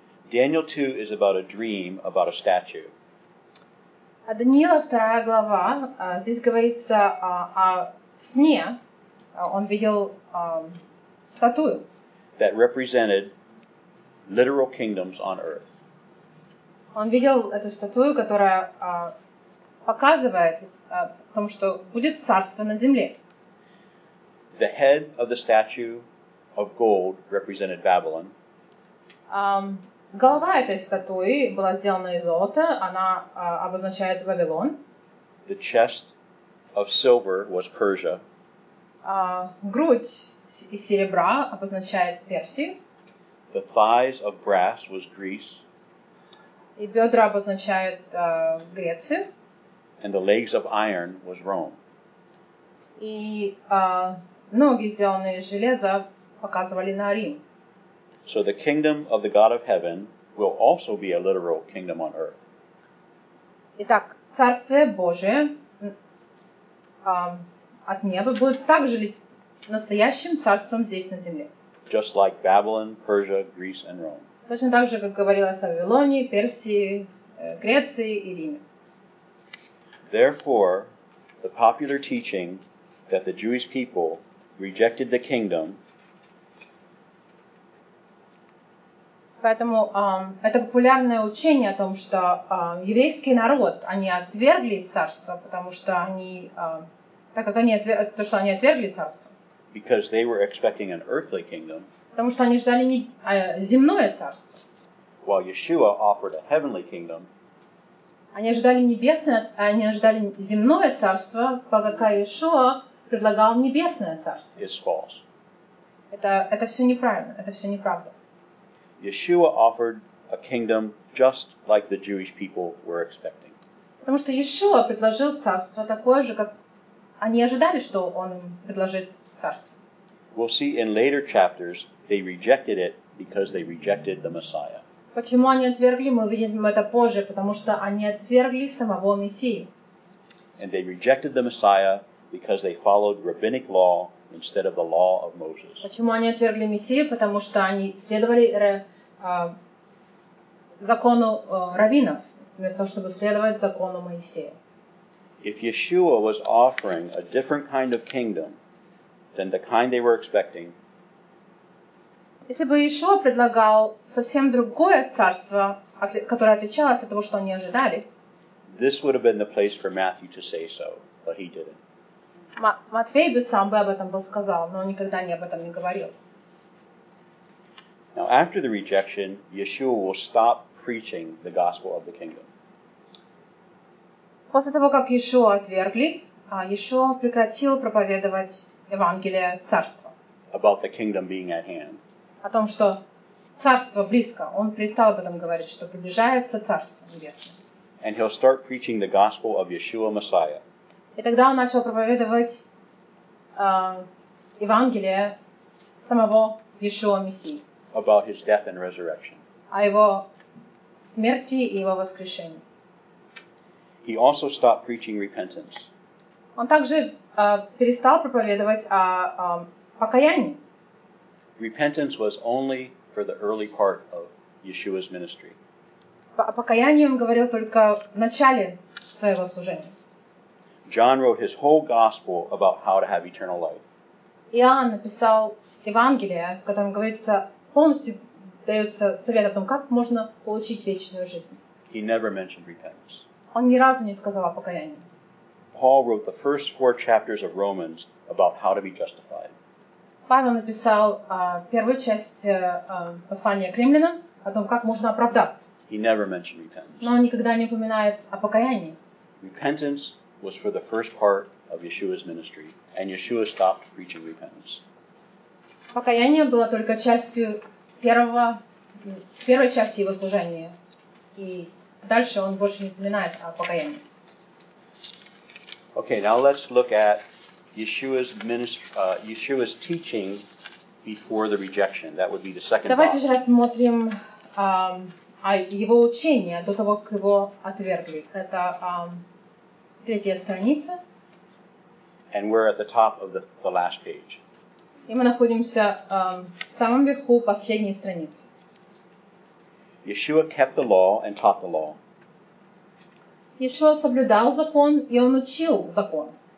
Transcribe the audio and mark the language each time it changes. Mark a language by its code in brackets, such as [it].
[en] Daniel 2 is about a dream about a statue. [ru] А Даниила, 2 глава, здесь говорится о сне, он видел статую. [en] That represented literal kingdoms on earth. [ru] Он видел эту статую, которая показывает о том, что будет царство на земле. [en] The head of the statue of gold represented Babylon. [ru] Голова этой статуи была сделана из золота, она обозначает Вавилон. [en] The chest of silver was Persia. [ru] Грудь из серебра обозначает Персию. [en] The thighs of brass was Greece. [ru] И бедра обозначают Грецию. [en] And the legs of iron was Rome. [ru] И ноги, сделанные из железа, показывали на Рим. [en] So the kingdom of the God of heaven will also be a literal kingdom on earth. [ru] Итак, Царствие Божие от неба будет также настоящим царством здесь на земле. [en] Just like Babylon, Persia, Greece and Rome. [ru] Точно так же, как говорилось о Вавилоне, Персии, Греции и Риме. [en] Therefore, the popular teaching that the Jewish people rejected the kingdom. [ru] Поэтому это популярное учение о том, что еврейский народ, они отвергли царство, потому что они, так как они то, что они отвергли царство. [en] Because they were expecting an earthly kingdom. [ru] Потому что они ждали не земное царство. [en] While Yeshua offered a heavenly kingdom. [ru] Они ожидали небесное, они ожидали земное царство, пока Иешуа предлагал небесное царство. [en] It's false. [ru] Это все неправильно, это все неправда. [en] Yeshua offered a kingdom just like the Jewish people were expecting. [ru] Потому что Иешуа предложил царство такое же, как они ожидали, что он им предложит царство. [en] We'll see in later chapters they rejected it because they rejected the Messiah. [ru] Почему они отвергли, мы увидим это позже, потому что они отвергли самого Мессию. [en] And they rejected the Messiah because they followed rabbinic law instead of the law of Moses. [ru] Почему они отвергли Мессию? Потому что они следовали закону раввинов, вместо того, чтобы следовать закону Моисея. [en] If Yeshua was offering a different kind of kingdom than the kind they were expecting, [ru] если бы Иешуа предлагал совсем другое царство, которое отличалось от того, что они ожидали, [en] this would have been the place for Matthew to say so, but he didn't. [ru] Матфей бы сам бы об этом был сказал, но он никогда не об этом не говорил. [en] Now, after the rejection, Yeshua will stop preaching the gospel of the kingdom. [ru] После того, как Иешуа отвергли, Иешуа прекратил проповедовать Евангелие Царства. [en] About the kingdom being at hand. [ru] О том, что царство близко. Он перестал об этом говорить, что приближается царство небесное. [en] And he'll start preaching the gospel of Yeshua Messiah. [ru] И тогда он начал проповедовать Евангелие самого Иешуа Мессии. [en] About his death and resurrection. [ru] О его смерти и его воскрешении. [en] He also stopped preaching repentance. [ru] он также перестал проповедовать о покаянии. [en] Repentance was only for the early part of Yeshua's ministry. [ru] О покаянии он говорил только в начале своего служения. [en] John wrote his whole gospel about how to have eternal life. [ru] Иоанн написал Евангелие, в котором говорится полностью дается совет о том, как можно получить вечную жизнь. [en] He never mentioned repentance. [ru] Он ни разу не сказал о покаянии. [en] Paul wrote the first four chapters of Romans about how to be justified. [ru] Павел написал первую часть послания к римлянам о том, как можно оправдаться. [en] He never mentioned repentance. [ru] Но он никогда не упоминает о покаянии. [en] Repentance was for the first part of Yeshua's ministry, and Yeshua stopped preaching repentance. [ru] Покаяние было только частью первой части его служения, и дальше он больше не упоминает о покаянии. [en] Okay, now let's look at Yeshua's ministry, Yeshua's teaching before the rejection. That would be the second. [ru] Давайте же рассмотрим его учение до того, как его отвергли. Это третья страница. [en] And we're at the top of the last page. [ru] И мы находимся в самом верху последней страницы. [en] Yeshua kept the law and taught the law. [ru] Yeshua соблюдал закон, и он учил закон.